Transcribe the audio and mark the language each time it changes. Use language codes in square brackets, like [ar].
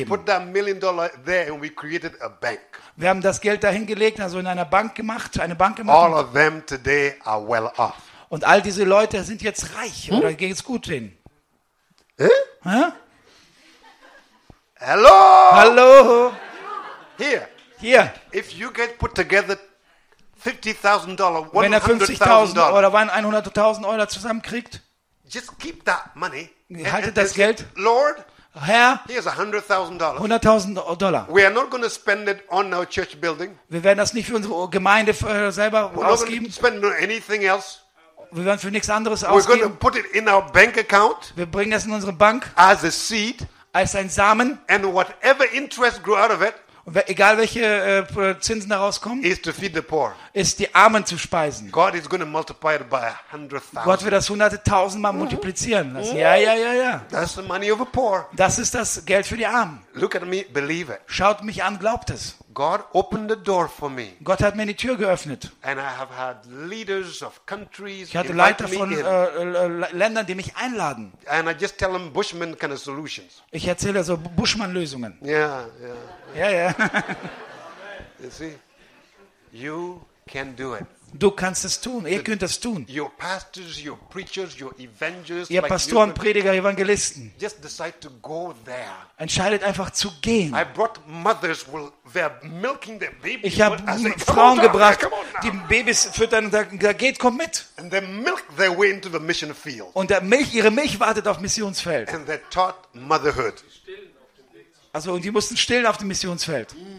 [en] We put that $1 million there and we created a bank. [de] Wir haben das Geld dahin gelegt, also in einer Bank gemacht, eine Bank gemacht. [en] All of them today are well off. [de] Und all diese Leute sind jetzt reich oder geht es gut denen? Hä? [en] Hello. [de] Hallo. [en] Here. If you get put together $50,000, [de] $100,000 oder 100,000 Euro zusammenkriegt, [en] just keep that money. [de] Haltet das Geld. [en] Lord. [de] Herr. [en] Here's $100,000. [de] $100,000. [en] We are not going to spend it on our church building. [de] Wir werden das nicht für unsere Gemeinde selber ausgeben. [en] We're not going to spend anything else. [de] Wir werden für nichts anderes ausgeben. [en] We're going to put it in our bank account. [de] Wir bringen das in unsere Bank. [en] As a seed. [de] Als ein Samen. [en] And whatever interest grew out of it, [de] egal welche Zinsen daraus kommen, [en] is to feed the poor. [de] Ist die Armen zu speisen. [en] God is going to multiply it by 100,000. [de] Gott wird das hunderttausendmal multiplizieren lassen. Mm-hmm. Ja. [en] That's the money of the poor. [de] Das ist das Geld für die Armen. [en] Look at me, believe it. [de] Schaut mich an, glaubt es. [en] God opened the door for me. [de] Gott hat mir die Tür geöffnet. [en] And I have had leaders of countries. [de] Ich hatte Leiter von Ländern, die mich einladen. [en] And I just tell them Bushman kind of solutions. [de] Ich erzähle so Bushman-Lösungen. [en] You see, you can do it. [de] Du kannst es tun. Ihr könnt es tun. [en] Your pastors, your preachers, your evangelists. [de] Ihr Pastoren, Prediger, Evangelisten. [en] Just decide to go there. [de] Entscheidet einfach zu gehen. [en] I brought mothers will they're milking their babies. [de] Ich habe Frauen gebracht, die Babys füttern. Da geht, komm mit. [en] And they milk their way into the mission field. [de] Und ihre Milch wartet auf Missionsfeld. [en] And they taught motherhood. [de] Also und die mussten stillen auf dem Missionsfeld.